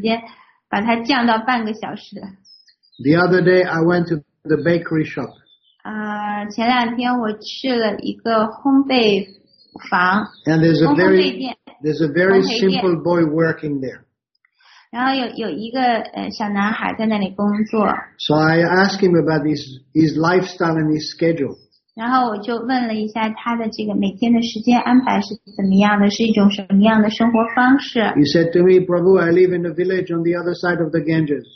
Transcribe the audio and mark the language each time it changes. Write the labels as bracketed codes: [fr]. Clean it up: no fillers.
[zh] 我要这个强烈的推荐你把这个手机逍遥时光，就是你看手机的这个时间，把它降到半个小时。 [en] The other day I went to the bakery shop. [zh] 前两天我去了一个烘焙房。 [en] And there's a very simple boy working there. [zh] 然后有一个小男孩在那里工作。 [en] So I asked him about his lifestyle and his schedule. [zh] 然后我就问了一下他的这个每天的时间安排是怎么样的，是一种什么样的生活方式。 [en] He said to me, Prabhu, I live in a village on the other side of the Ganges.